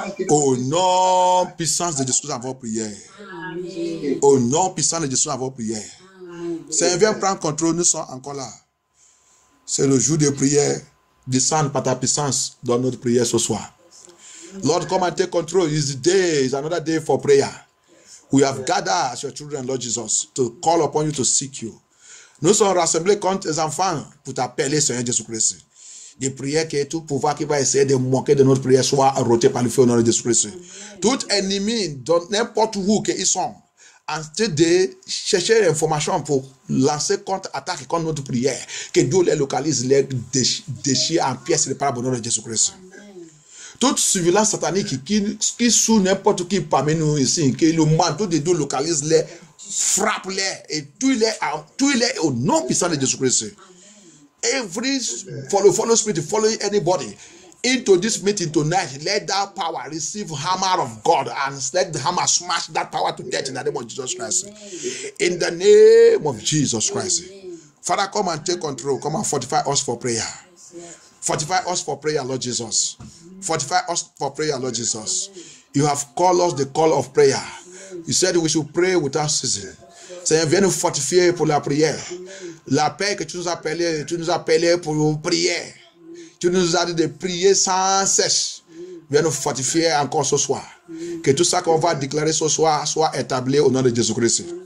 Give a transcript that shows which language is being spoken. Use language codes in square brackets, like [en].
[fr] Au nom puissant de Jésus, à vos prières. Au nom puissant de Jésus, à vos prières. Seigneur, viens prendre contrôle. Nous sommes encore là. C'est le jour de prière. Descend par ta puissance dans notre prière ce soir. [en] Lord, come and take control. It's another day for prayer. We have gathered as your children, Lord Jesus, to call upon you, to seek you. [fr] Nous sommes rassemblés comme tes enfants pour t'appeler, Seigneur Jésus-Christ. Des prières qui est tout pouvoir qui va essayer de manquer de notre prière soit arrêté par le feu au nom de Jésus-Christ. Tout ennemi, dans n'importe où qu'ils sont, en train de chercher l'information pour lancer contre-attaque contre notre prière, que Dieu les localise, les déchire en pièces de parabole au nom de Jésus-Christ. Toute surveillance satanique qui sous n'importe qui parmi nous ici, que le manteau de Dieu localise, les frappe les et tue les au nom puissant de Jésus-Christ. [en] Every follow spirit, follow anybody into this meeting tonight, let that power receive hammer of God and let the hammer smash that power to death in the name of Jesus Christ. In the name of Jesus Christ. Father, come and take control. Come and fortify us for prayer. Fortify us for prayer, Lord Jesus. Fortify us for prayer, Lord Jesus. You have called us the call of prayer. You said we should pray without ceasing. [fr] Seigneur, viens nous fortifier pour la prière. La paix que tu nous as appelés pour prier. Tu nous as dit de prier sans cesse. Viens nous fortifier encore ce soir. Que tout ça qu'on va déclarer ce soir soit établi au nom de Jésus-Christ.